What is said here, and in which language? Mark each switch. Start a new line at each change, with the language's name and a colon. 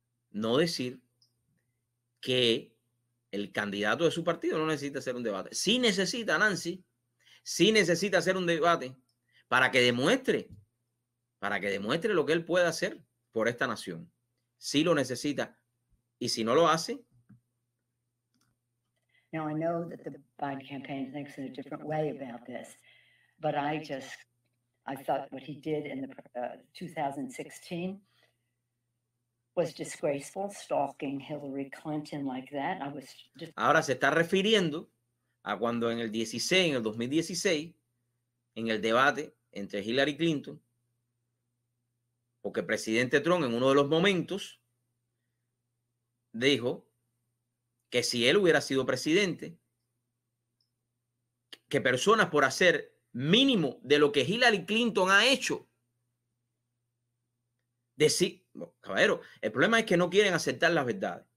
Spanish: No decir que el candidato de su partido no necesita hacer un debate. Sí necesita, Nancy, sí necesita hacer un debate para que demuestre para que demuestre lo que él puede hacer por esta nación. Si lo necesita y si no lo hace.
English: Now I know that the Biden campaign thinks in a different way about this, but I thought what he did in the 2016 was disgraceful, stalking Hillary Clinton like that. I was just...
Spanish: Ahora se está refiriendo a cuando en el 16, en el 2016, en el debate entre Hillary Clinton, porque el presidente Trump en uno de los momentos dijo que si él hubiera sido presidente, que personas por hacer mínimo de lo que Hillary Clinton ha hecho, decir, bueno, caballero, el problema es que no quieren aceptar las verdades.